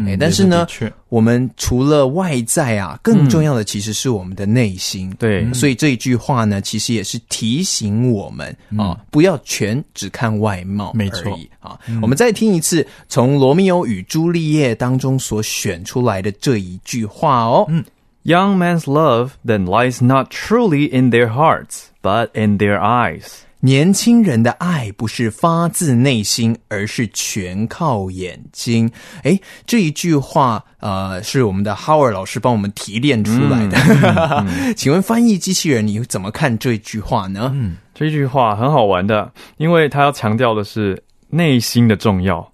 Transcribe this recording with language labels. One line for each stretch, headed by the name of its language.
Chinese: 欸、但是呢我们除了外在啊，更重要的其实是我们的内心、嗯、对，所以这一句话呢其实也是提醒我们、嗯、啊，不要全只看外貌而已，没错、啊嗯、我们再听一次从罗密欧与朱丽叶当中所选出来的这一句话哦、嗯、
English: Young man's love then lies not truly in their hearts but in their eyes，
Chinese: 年轻人的爱不是发自内心而是全靠眼睛。诶，这一句话是我们的 Howard 老师帮我们提炼出来的、嗯、请问翻译机器人你怎么看这句话呢、嗯、这句话很好玩的，因为他要强调的是内心的重要、